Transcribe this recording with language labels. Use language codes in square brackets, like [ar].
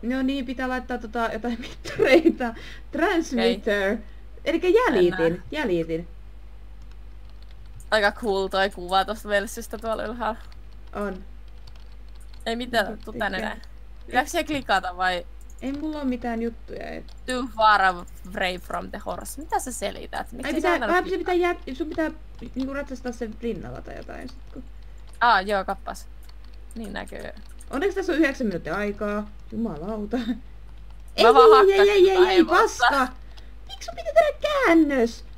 [fi] No niin, pitää laittaa jotain mittareita. [en] Transmitter. Okay. [fi] Elikkä jäljitin. Aika cool toi kuva tosta velsystä tuolla ylhäällä. On. Ei mitään, tuu tänne näin. Pitääks siihen klikata vai? Ei mulla oo mitään juttuja. [en] Too far away from the horse. [fi] Mitä sä selität? Sun pitää niinku ratsastaa sen rinnalla tai jotain. Joo, kappas. Niin näkyy. Onneksi tässä on 9 minuuttia aikaa. Jumalauta. Ei, paska! Miks sun pitää tehdä käännös?